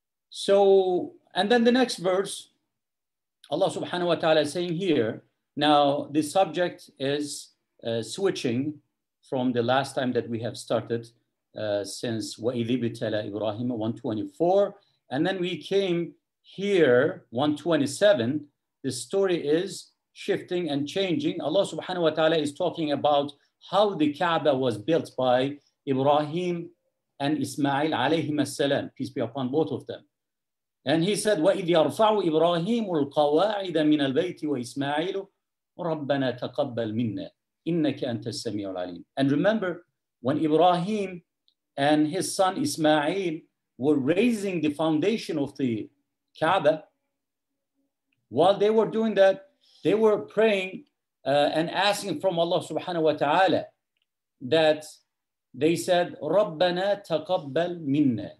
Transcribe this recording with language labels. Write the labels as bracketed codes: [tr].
[en] So, and then the next verse, Allah subhanahu wa ta'ala is saying here, now the subject is switching from the last time that we have started since [ar] وَإِذِي بِتَلَىٰ إِبْرَاهِيمَ [en] 124, and then we came here 127. The story is shifting and changing. Allah subhanahu wa ta'ala is talking about how the Kaaba was built by Ibrahim and Ismail alayhim as-salam, peace be upon both of them. And he said, [ar] وَإِذْ يَرْفَعُ إِبْرَاهِيمُ الْقَوَاعِدَ مِنَ الْبَيْتِ وَإِسْمَاعِيلُ رَبَّنَا تَقَبَّلْ مِنَّا إِنَّكَ أَنْتَ السَّمِيعُ الْعَلِيمُ. [en] And remember, when Ibrahim and his son Ismail were raising the foundation of the Kaaba, while they were doing that, they were praying and asking from Allah subhanahu wa ta'ala, that they said, [ar] رَبَّنَا تَقَبَّلْ مِنَّا.